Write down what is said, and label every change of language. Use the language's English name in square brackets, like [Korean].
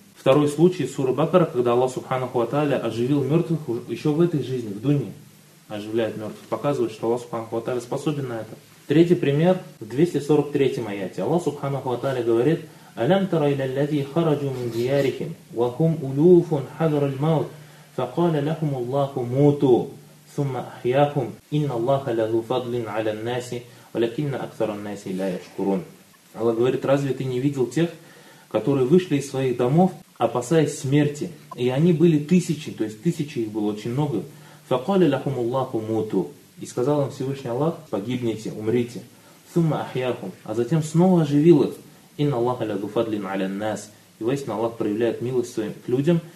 [Russian] Второй случай суры Бакара, когда Аллах Субханаху ва Тааля оживил мертвых еще в этой жизни, в дунии, оживляет мертвых, показывает, что Аллах Субханаху ва Тааля способен на это. Третий пример в 243-м аяте. Аллах Субханаху ва Тааля говорит: [Arabic] «Алям тара илля лязи хараджу мин диярихим, ва хум улюфун хадар аль маут, فقال لهم الله موتوا ثم أحياهم إن الله له فضل على الناس ولكن أكثر الناس لا يشكرون. [Russian] Аллах говорит, разве ты не видел тех, которые вышли из своих домов, опасаясь смерти? И они были тысячи, то есть тысячи их было очень много. [Arabic] فَقَالَ لَهُمُ اللَّهُ مُوتُ [Russian] И сказал им Всевышний Аллах, погибните, умрите. [Arabic] ثُمَّ أَحْيَاهُمْ [Russian] А затем снова оживил их. [Arabic] إِنَّ اللَّهَ لَهُ فَضْلٍ عَلَى النَّاسِ [Russian] И воистину Аллах проявляет милость своим к людям.